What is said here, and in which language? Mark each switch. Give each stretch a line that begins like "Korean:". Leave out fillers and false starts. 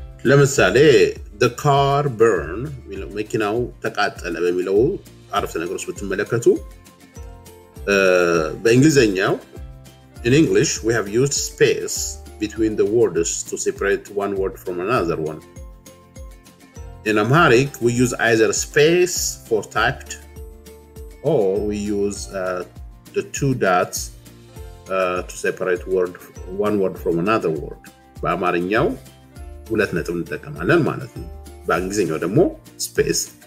English: ለምሳሌ the car burn
Amharic: መኪናው ተቃጠለ በሚለው አረፍተ ነገር ውስጥ ብትመለከቱ በእንግሊዘኛው
English: in English we have used space between the words to separate one word from another one. In Amharic, we use either space for typed or we use the two dots to separate word one word from another word.
Amharic: በአማርኛው ሁለት ነጥብ እንጠቀማለን ማለት ነው። በእንግሊዝኛው ደግሞ space.